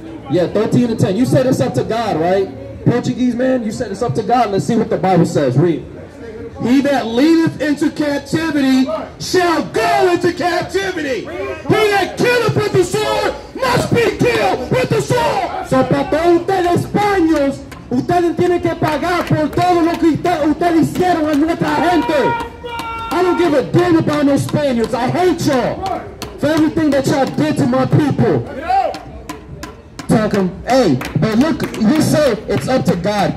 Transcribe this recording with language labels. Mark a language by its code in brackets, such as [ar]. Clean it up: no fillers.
[en] Yeah, 13 and 10. You said it's up to God, right? Portuguese man, you said it's up to God. Let's see what the Bible says. Read. He that leadeth into captivity shall go into captivity. He that killeth with the sword must be killed with the sword. [es] So para todos ustedes españoles, ustedes tienen que pagar por todo lo que ustedes hicieron a nuestra gente. [en] I don't give a damn about no Spaniards. I hate y'all for everything that y'all did to my people. Hey, but look, you say it's up to God.